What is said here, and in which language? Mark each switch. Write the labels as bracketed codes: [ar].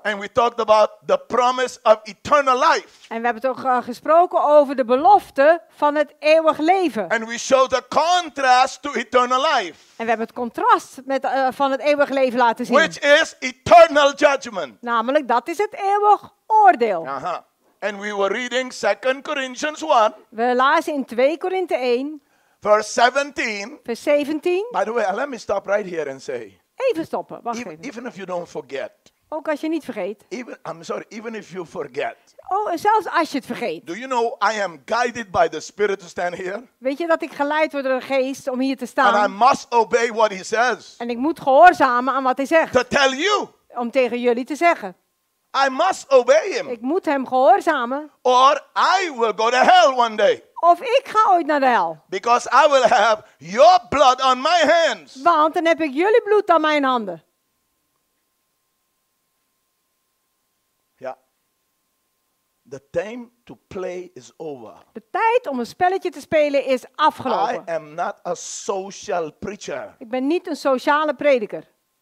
[en] And we talked about the promise of eternal life. [nl] En we hebben toch gesproken over de belofte van het eeuwig leven. [en] And we showed the contrast to eternal life. [nl] En we hebben het contrast met, van het eeuwig leven laten zien. [en] Which is eternal judgment. [nl] Namelijk, dat is het eeuwig oordeel. [en] Aha. And we were reading 2 Corinthians 1. [nl] We lazen in 2 Korinthe 1. [en] Verse 17. [nl] Vers 17. [en] By the way, let me stop right here and say. [nl] Even stoppen. Wacht even. [en] Even if you don't forget. [nl] Ook als je niet vergeet. [en] Even if you forget. [nl] Oh, zelfs als je het vergeet. [en] Do you know I am guided by the Spirit to stand here? [nl] Weet je dat ik geleid word door de Geest om hier te staan? [en] And I must obey what he says. [nl] En ik moet gehoorzamen aan wat hij zegt. [en] To tell you. [nl] Om tegen jullie te zeggen. [en] I must obey him. [nl] Ik moet hem gehoorzamen. [en] Or I will go to hell one day. [nl] Of ik ga ooit naar de hel. [en] Because I will have your blood on my hands. [nl] Want dan heb ik jullie bloed aan mijn handen. [en] Ja. The time to play is over. [nl] De tijd om een spelletje te spelen is afgelopen. [en] I am not a social preacher. [nl] Ik ben niet een sociale prediker.